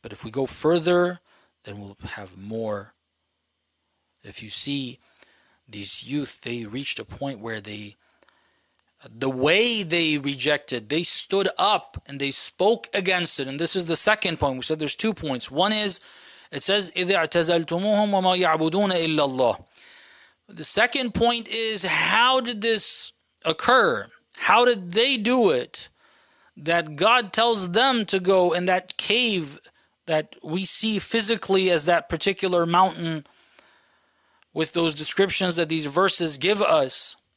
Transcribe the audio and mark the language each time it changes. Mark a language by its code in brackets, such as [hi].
[en] But if we go further, then we'll have more. If you see these youth, they reached a point where they, the way they rejected, they stood up and they spoke against it. And this is the second point. We said there's two points. One is, it says, [ar] إِذِ اَعْتَزَلْتُمُوهُمْ وَمَا يَعْبُدُونَ إِلَّا اللَّهِ. [en] The second point is, how did this occur? How did they do it? That God tells them to go in that cave that we see physically as that particular mountain with those descriptions that these verses give us.